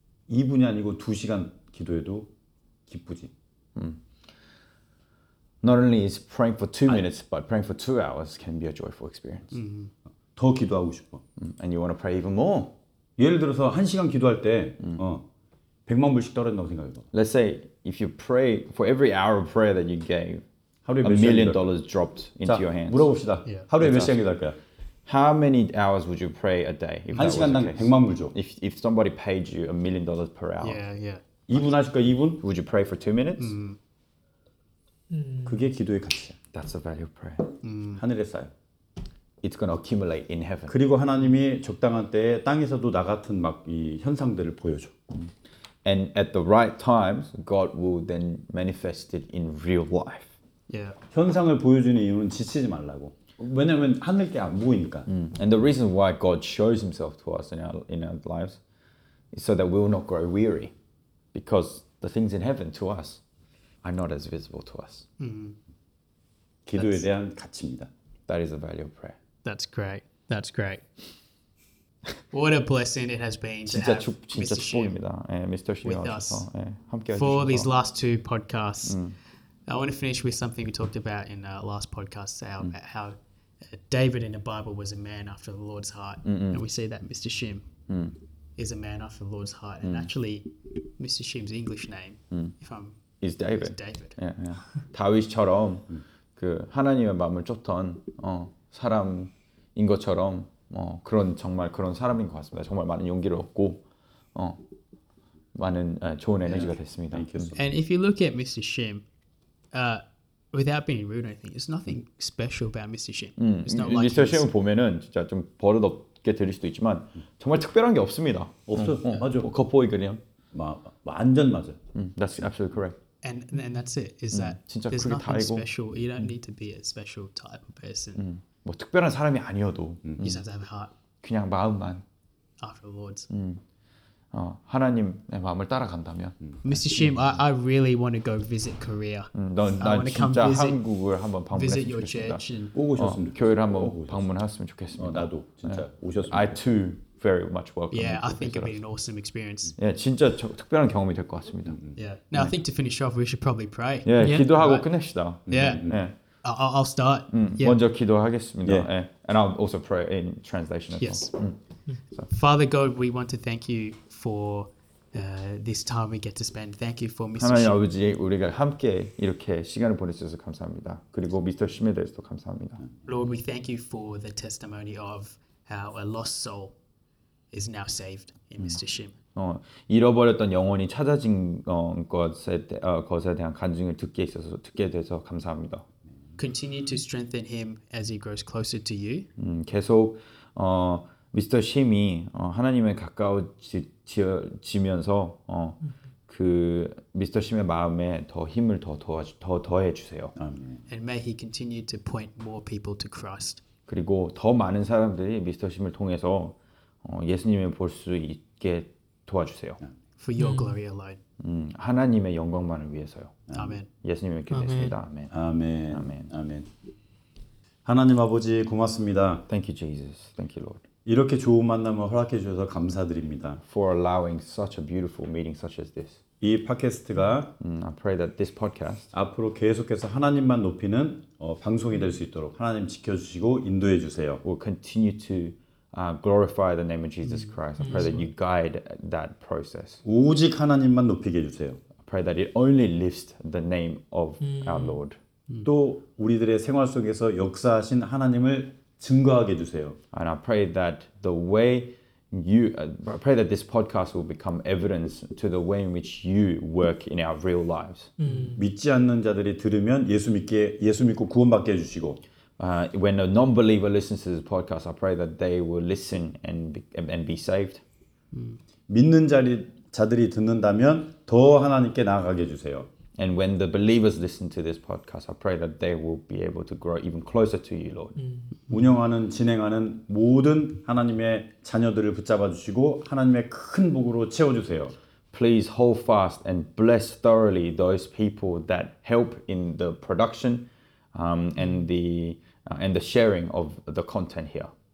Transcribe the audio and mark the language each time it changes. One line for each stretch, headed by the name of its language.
Korean: 2분이 아니고 2시간 기도해도 기쁘지.
English: Not only is praying for 2 minutes, but praying for 2 hours can be a joyful experience.
Korean: 더 기도하고 싶어.
English: And you want to pray even more.
Korean: 예를 들어서 1시간 기도할 때 100만 불씩 떨어진다고 생각해봐.
English: Let's say if you pray for every hour of prayer that you gave, $1 million dropped into your hands.
Korean: 물어봅시다. Yeah. 하루에 몇 시간 기도할 거야?
English: How many hours would you pray a day?
Korean: 1시간당 100만 불 줘.
English: If somebody paid you $1 million per hour. Yeah, yeah.
Korean: 2분 하실 거야, 2분?
English: Would you pray for 2 minutes?
Korean: 그게 기도의 가치야.
English: That's the value of prayer.
Korean: 하늘에 쌓여.
English: It's going to accumulate in heaven.
Korean: 그리고 하나님이 적당한 때 땅에서도 나 같은 막 이 현상들을 보여줘.
English: And at the right times, God will then manifest it in real life. Yeah.
Korean: 현상을 보여주는 이유는 지치지 말라고. 왜냐면 하늘 게 안 보이니까.
English: And the reason why God shows himself to us in our lives is so that we will not grow weary. Because the things in heaven to us are not as visible to us.
Korean: 기도에 대한 가치입니다.
English: That is the value of prayer. That's great. That's great. What a blessing it has been to
Korean: 진짜
English: have
Korean: 진짜
English: Mr. Shim Mr. Shim with us for these last two podcasts. I want to finish with something we talked about in our last podcast, how David in the Bible was a man after the Lord's heart. Mm-mm. And we see that Mr. Shim is a man after the Lord's heart. And actually, Mr. Shim's English name, Is David. Is David. Yeah, yeah.
Korean: 다윗처럼 그 하나님의 마음을 쫓던 사람인 것처럼 그런 정말 그런 사람인 것 같습니다. 정말 많은 용기를 얻고 많은 좋은 에너지가 됐습니다.
English: And if you look at Mr. Shim, without being rude or anything, there's nothing special about Mr. Shim. It's not like Mr.
Korean: Shim 보면은 진짜 좀 버릇없게 들릴 수도 있지만 정말 특별한 게 없습니다. 없어. 맞아. 겉보기 그냥. 완전 맞아.
English: That's absolutely correct. And that's it. Is that there's nothing special. You don't need to be a special type of person.
Korean: 뭐 특별한 사람이 아니어도.
English: You just have to have a heart.
Korean: 그냥 마음만.
English: After the Lord's.
Korean: 하나님의 마음을 따라간다면.
English: Mr. Shim, I really want to go visit Korea.
Korean: 난 진짜 한국을 한번 방문했으면 좋겠습니다.
English: Visit your
Korean: church. 오고 싶습니다. 교회를 한번 방문했으면 좋겠습니다. 나도 진짜 오셨으면.
English: I too very much welcome. Yeah, I think it'll be an awesome experience.
Korean: 예, 진짜 특별한 경험이 될 것 같습니다.
English: Yeah. Now I think to finish off, we should probably pray.
Korean: 예, 기도하고 끝냅시다.
English: Yeah. I'll start.
Korean: 먼저 기도하겠습니다.
English: And I'll also pray in translation as well. Yes. Father God, we want to thank you for this time we get to spend. Thank you for Mr.
Korean: 하나님 아버지, 우리가 함께 이렇게 시간을 보낼 수 있어서 감사합니다. 그리고 미스터 심에 대해서도 감사합니다.
English: Lord, we thank you for the testimony of how a lost soul is now saved in Mr. Shim.
Korean: 잃어버렸던 영혼이 찾아진 것에 대한 간증을 듣게 돼서 감사합니다.
English: Continue to strengthen him as he grows closer to you.
Korean: 계속 미스터 심이 하나님에 가까워지면서 그 미스터 심의 마음에 더 힘을 더 더해 주세요.
English: And may he continue to point more people to Christ.
Korean: 그리고 더 많은 사람들이 미스터 심을 통해서 예수님을 볼 수 있게 도와주세요.
English: For your glory alone.
Korean: 하나님의 영광만을 위해서요. 아멘. 예수님을 기도했습니다. 아멘. 아멘. 아멘. 아멘. 하나님 아버지 고맙습니다.
English: Thank you Jesus. Thank you Lord.
Korean: 이렇게 좋은 만남을 허락해 주셔서 감사드립니다.
English: For allowing such a beautiful meeting such as this.
Korean: 이 팟캐스트가
English: I pray that this podcast
Korean: 앞으로 계속해서 하나님만 높이는 방송이 될 수 있도록 하나님 지켜 주시고 인도해 주세요.
English: We'll continue to glorify the name of Jesus Christ. I pray that you guide that process.
Korean: 오직 하나님만 높이게 주세요.
English: I pray that it only lifts the name of our Lord.
Korean: 또 우리들의 생활 속에서 역사하신 하나님을 증거하게 해 주세요.
English: And I pray that the way you, I pray that this podcast will become evidence to the way in which you work in our real lives.
Korean: 믿지 않는 자들이 들으면 예수 믿게 예수 믿고 구원받게 해주시고.
English: When a non-believer listens to this podcast, I pray that they will listen and be saved.
Korean: 믿는 자들이 듣는다면 더 하나님께 나아가게 해주세요.
English: And when the believers listen to this podcast, I pray that they will be able to grow even closer to you, Lord.
Korean: 운영하는, 진행하는 모든 하나님의 자녀들을 붙잡아 주시고 하나님의 큰 복으로 채워 주세요.
English: Please hold fast and bless thoroughly those people that help in the production and the sharing of the content here.